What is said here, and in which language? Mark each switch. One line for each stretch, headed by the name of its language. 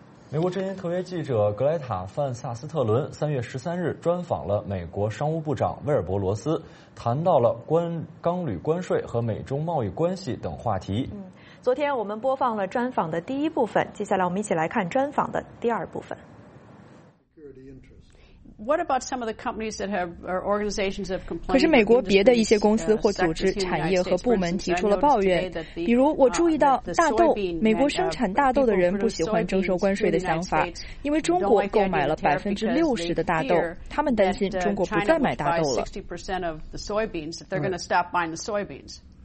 Chinese: 美国之音特约记者格莱塔·范萨斯特伦3月13日专访了美国商务部长威尔伯·罗斯，谈到了钢铝关税和美中贸易关系等话题。昨天我们播放了专访的第一部分，接下来我们一起来看专访的第二部分。
English: What about some of the companies that have or organizations have complained?
Chinese: 可是美国别的一些公司或组织、产业和部门提出了抱怨。比如，我注意到大豆，美国生产大豆的人不喜欢征收关税的想法，因为中国购买了60%的大豆，他们担心中国不再买大豆了。
English: 60% of the soybeans, that they're going to stop buying the soybeans.